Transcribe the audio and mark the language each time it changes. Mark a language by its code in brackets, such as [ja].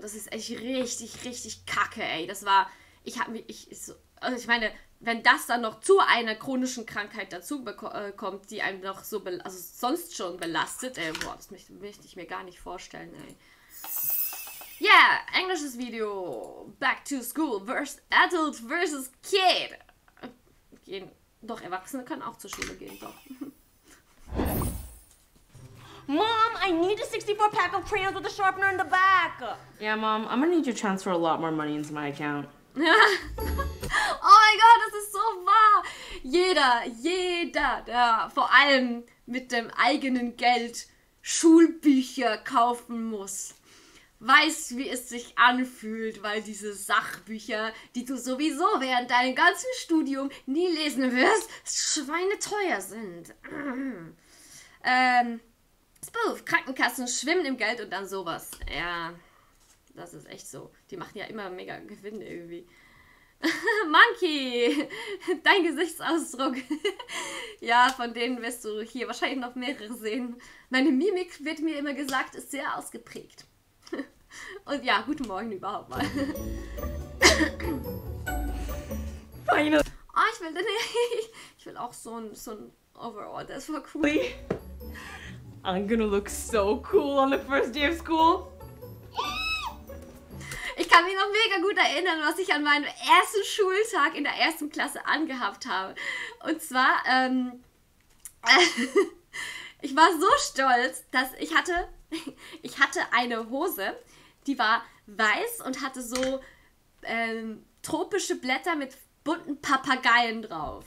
[de] Das ist echt richtig, richtig kacke, ey. Das war, ich meine, wenn das dann noch zu einer chronischen Krankheit dazu kommt, die einem noch so, also sonst schon belastet, ey, boah, das möchte ich mir gar nicht vorstellen, ey. [en] Yeah, [de] englisches Video, [en] back to school, versus adult versus kid. [de] Gehen. Doch, Erwachsene können auch zur Schule gehen, doch. [en] Mom, I need a 64-pack of crayons with a sharpener in the back. Yeah, Mom, I'm gonna need you to transfer a lot more money into my account. [de] Oh mein Gott, das ist so wahr. Jeder, der vor allem mit dem eigenen Geld Schulbücher kaufen muss, weiß, wie es sich anfühlt, weil diese Sachbücher, die du sowieso während deinem ganzen Studium nie lesen wirst, schweineteuer sind. Spoof, Krankenkassen schwimmen im Geld und dann sowas. Ja, das ist echt so. Die machen ja immer mega Gewinn irgendwie. Monkey, dein Gesichtsausdruck. Ja, von denen wirst du hier wahrscheinlich noch mehrere sehen. Meine Mimik, wird mir immer gesagt, ist sehr ausgeprägt. Und ja, guten Morgen überhaupt mal. Feine. Oh, ich will auch so ein Overall, das war cool. [en] I'm gonna look so cool on the first day of school. [de] Ich kann mich noch mega gut erinnern, was ich an meinem ersten Schultag in der ersten Klasse angehabt habe. Und zwar, ich war so stolz, dass ich hatte eine Hose, die war weiß und hatte so tropische Blätter mit bunten Papageien drauf.